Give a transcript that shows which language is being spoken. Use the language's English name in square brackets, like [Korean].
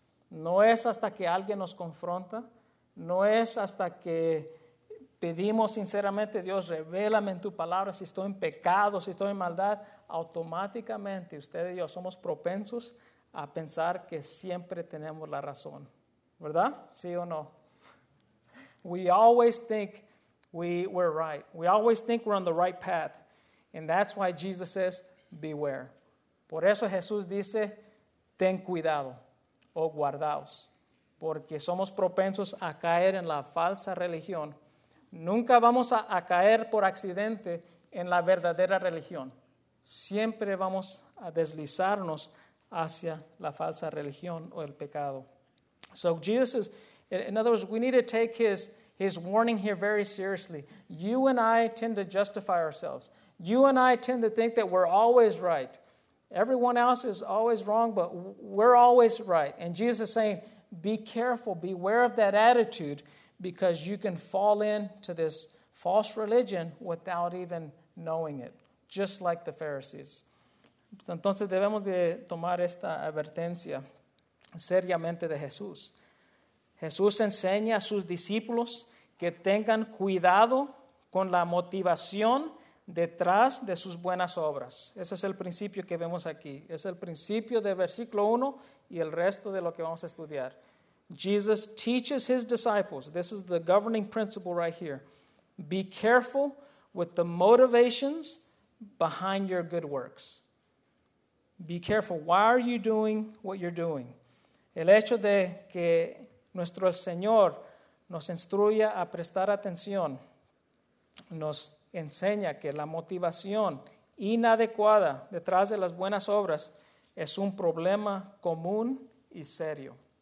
[Spanish] No es hasta que alguien nos confronta, no es hasta que pedimos sinceramente, Dios, revélame en tu palabra si estoy en pecado, si estoy en maldad. Automáticamente usted y yo somos propensos a pensar que siempre tenemos la razón, ¿verdad? ¿Sí o no? [English] We always think we're right. We always think we're on the right path. And that's why Jesus says, beware. [Spanish] Por eso Jesús dice, ten cuidado o guardaos. Porque somos propensos a caer en la falsa religión. Nunca vamos a caer por accidente en la verdadera religión. Siempre vamos a deslizarnos hacia la falsa religión o el pecado. [English] So Jesus is, in other words, we need to take his warning here very seriously. You and I tend to justify ourselves. You and I tend to think that we're always right. Everyone else is always wrong, but we're always right. And Jesus is saying, be careful, beware of that attitude, because you can fall into this false religion without even knowing it, just like the Pharisees. [Spanish] Entonces debemos de tomar esta advertencia seriamente de Jesús. Jesús enseña a sus discípulos que tengan cuidado con la motivación detrás de sus buenas obras. Ese es el principio que vemos aquí. Es el principio de versículo 1 y el resto de lo que vamos a estudiar. [English] Jesus teaches his disciples. This is the governing principle right here. Be careful with the motivations behind your good works. Be careful. Why are you doing what you're doing? [Spanish] El hecho de que nuestro Señor nos instruya a prestar atención nos enseña que la motivación inadecuada detrás de las buenas obras es un problema común y serio.